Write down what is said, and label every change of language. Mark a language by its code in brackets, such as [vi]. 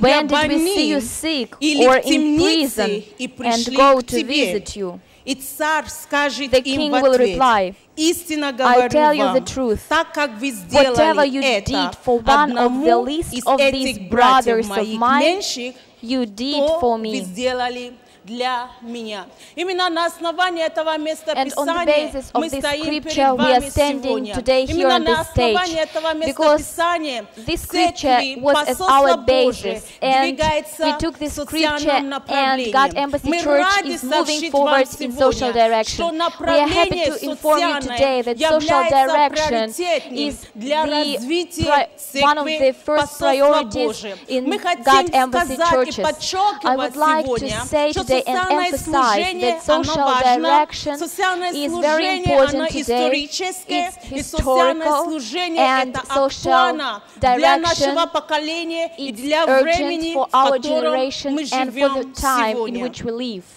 [en] When did we see you sick or in prison and go to visit you? The king will reply, I tell you the truth, whatever you did for one of the least of these brothers of mine, you did for me. [ru] Для меня. Именно на основании этого места Писания мы стоим перед вами сегодня. Именно на основании этого места Писания церкви, посольство Божие двигается в социальном направлении. Мы рады сообщить вам сегодня, что направление социальное является приоритетным для развития церкви, посольства Божие. Мы хотим сказать и подчеркивать сегодня, [en] and emphasize that social direction is very important today. It's historical, and social direction is urgent for our generation and for the time in which we live.